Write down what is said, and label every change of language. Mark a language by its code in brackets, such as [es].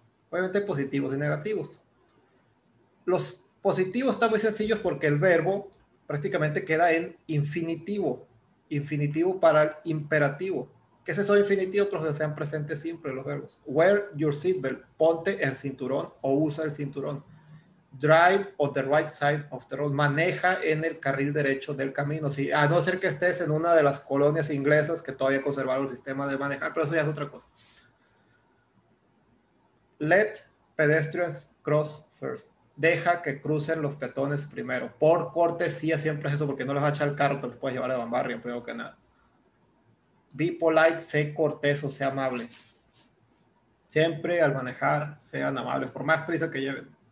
[es] Obviamente positivos y negativos. Los positivos están muy sencillos porque el verbo prácticamente queda en infinitivo. Infinitivo para el imperativo. ¿Qué es eso infinitivo? Otros que sean presentes simples los verbos. [en] Wear your seatbelt. [es] Ponte el cinturón o usa el cinturón. [en] Drive on the right side of the road. [es] Maneja en el carril derecho del camino. Si, a no ser que estés en una de las colonias inglesas que todavía conservaron el sistema de manejar, pero eso ya es otra cosa. [en] Let pedestrians cross first. [es] Deja que crucen los peatones primero. Por cortesía siempre es eso, porque no les va a echar el carro, te los puedes llevar a Bambarrio, primero que nada. [en] Be polite, [es] sé cortés o sé amable. Siempre al manejar, sean amables, por más prisa que lleven.